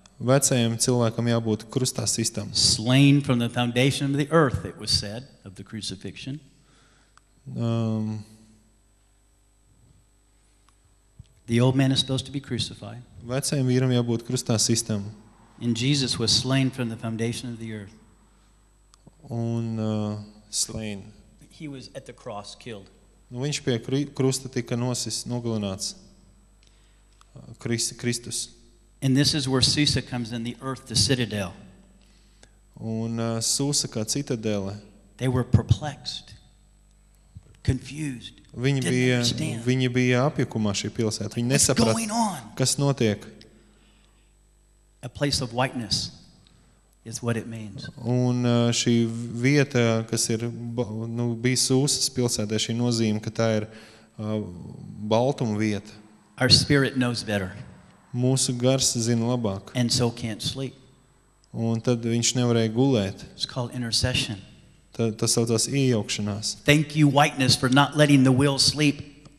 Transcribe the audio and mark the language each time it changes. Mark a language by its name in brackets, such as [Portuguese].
[Latvian] Vecajam cilvēkam jābūt krustā sistam. [English] Slain from the foundation of the earth, it was said, of the crucifixion. The old man is supposed to be crucified. [Latvian] Vecajam vīram jābūt krustā sistam. [English] And Jesus was slain from the foundation of the earth. [Latvian] Un slain. [English] He was at the cross killed. [Latvian] Viņš pie krusta tika nosis, nogalināts. Kristus. [English] And this is where Susa comes in, the earth, the citadel. [Latvian] Un Susa kā citadele. [English] They were perplexed, confused. [Latvian] Viņi bija apjukumā šī pilsēta. Viņi nesaprat, kas notiek. [English] A place of whiteness is what it means. [Latvian] Un šī vieta, kas ir, nu, bija Sūsas pilsētē, šī nozīme, ka tā ir baltuma vieta. [English] Our spirit knows better. [Latvian] Mūsu gars zina labāk. [English] And so can't sleep. [Latvian] Un tad viņš nevarēja gulēt. [English] It's called intercession. [Latvian] Tas saucās iejaukšanās. [English] Thank you, whiteness, for not letting the will sleep.